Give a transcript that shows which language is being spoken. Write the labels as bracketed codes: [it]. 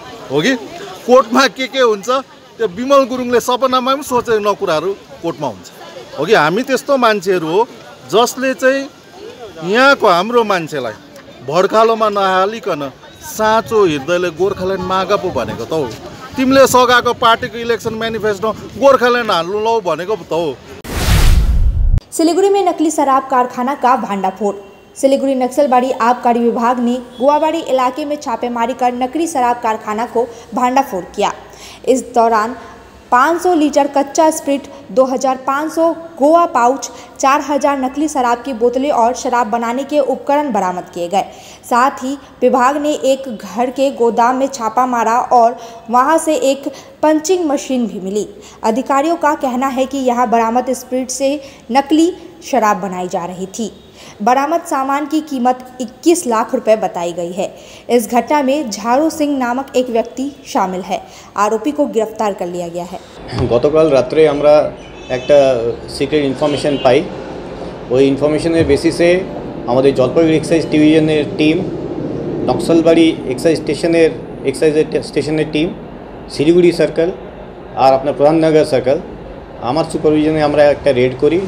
[ne] हो कि कोर्टमा के हुन्छ त्यो विमल गुरुङले सपनामा पनि सोचेको न कुराहरू कोर्टमा हुन्छ, हो कि हामी त्यस्तो मान्छेहरू हो जसले चाहिँ यहाँको हाम्रो मान्छेलाई भड्कालोमा नहालिकन साँचो हृदयले गोर्खाल्यान्ड माग पो भनेको त हो, तिमीले सघाएको पार्टीको इलेक्सन म्यानिफेस्टो गोर्खाल्यान्ड हाल्नु लौ भनेको पो त हो। सिलगढीमै नक्ली शराब कारखानाका भण्डाफोड। [hi] सिलगढी नक्सलबाड़ी आबकारी विभाग ने गुआबाड़ी इलाके में छापेमारी कर नकली शराब कारखाना को भांडाफोड़ किया। इस दौरान 500 लीटर कच्चा स्प्रिट, 2500 गोवा पाउच, 4000 नकली शराब की बोतलें और शराब बनाने के उपकरण बरामद किए गए। साथ ही विभाग ने एक घर के गोदाम में छापा मारा और वहां से एक पंचिंग मशीन भी मिली। अधिकारियों का कहना है कि यहां बरामद स्प्रिट से नकली शराब बनाई जा रही थी। बरामद सामान की कीमत 21 लाख रुपए बताई गई है। इस घटना में झारू सिंह नामक एक व्यक्ति शामिल है, आरोपी को गिरफ्तार कर लिया गया है। [bn] গতকাল রাতে আমরা একটা সিক্রেট ইনফরমেশন পাই, ওই ইনফরমেশনের বেসিসে আমাদের জলপাইগুড়ি এক্সাইজ ডিভিশনের টিম, নকশালবাড়ি এক্সাইজ স্টেশনের টিম, শিলিগুড়ি সার্কেল আর আপনার প্রধাননগর সার্কেল, আমার সুপারভিশনে আমরা একটা রেড করি।